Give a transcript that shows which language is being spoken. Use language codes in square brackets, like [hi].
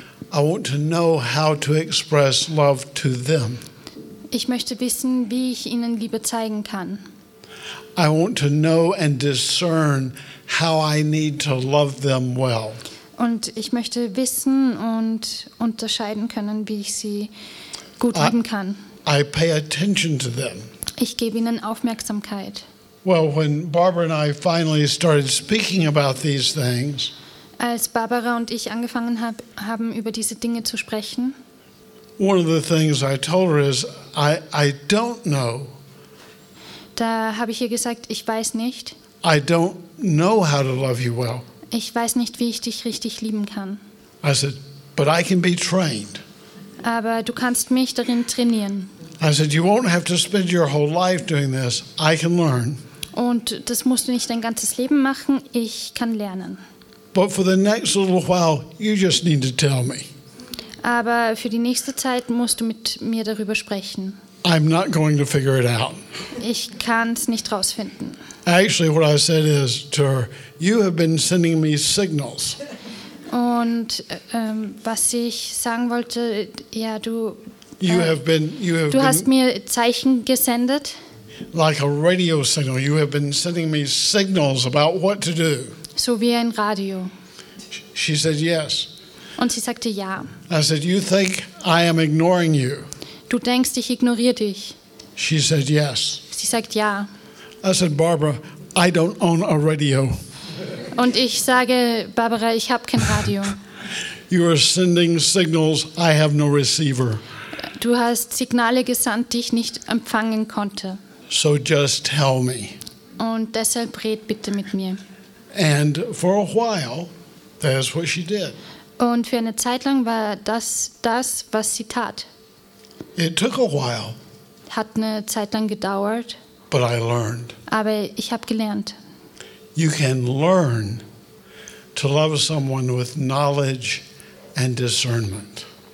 [en] I want to know how to express love to them. [de] Ich möchte wissen, wie ich ihnen Liebe zeigen kann. [en] I want to know and discern how I need to love them well. [de] Und ich möchte wissen und unterscheiden können, wie ich sie gut lieben kann. [en] I pay attention to them. [de] Ich gebe ihnen Aufmerksamkeit. [en] Well, when Barbara and I finally started speaking about these things, [de] als Barbara und ich angefangen haben über diese Dinge zu sprechen, [en] one of the things I told her is I don't know [de] Da habe ich ihr gesagt, ich weiß nicht. [en] I don't know how to love you well. [de] Ich weiß nicht, wie ich dich richtig lieben kann. [en] I said, but I can be trained. [de] Aber du kannst mich darin trainieren. [en] I said, you won't have to spend your whole life doing this. I can learn. [de] Und das musst du nicht dein ganzes Leben machen. Ich kann lernen. [en] But for the next little while, you just need to tell me. [de] Aber für die nächste Zeit musst du mit mir darüber sprechen. [en] I'm not going to figure it out. [de] Ich kann's nicht rausfinden. [en] Actually, what I said is to her, you have been sending me signals. [de] Und was ich sagen wollte, ja, du. [en] You have been. [de] Du hast mir Zeichen gesendet. [en] Like a radio signal, you have been sending me signals about what to do. [de] So wie ein Radio. [en] She said yes. [de] Und sie sagte ja. [en] I said, you think I am ignoring you? [de] Du denkst, ich ignoriere dich. [en] She said yes. [de] Sie sagt ja. [en] I said, Barbara, I don't own a radio. [de] Und ich sage, Barbara, ich habe kein Radio. [en] You are sending signals, I have no receiver. [de] Du hast Signale gesandt, die ich nicht empfangen konnte. [en] So just tell me. [de] Und deshalb red bitte mit mir. [en] And for a while, that's what she did. [de] Und für eine Zeit lang war das das, was sie tat. [en] It took a while. [de] Hat eine Zeit lang gedauert. [en] But I learned. [de] Aber ich habe gelernt. [en] You can learn to love someone with knowledge and discernment.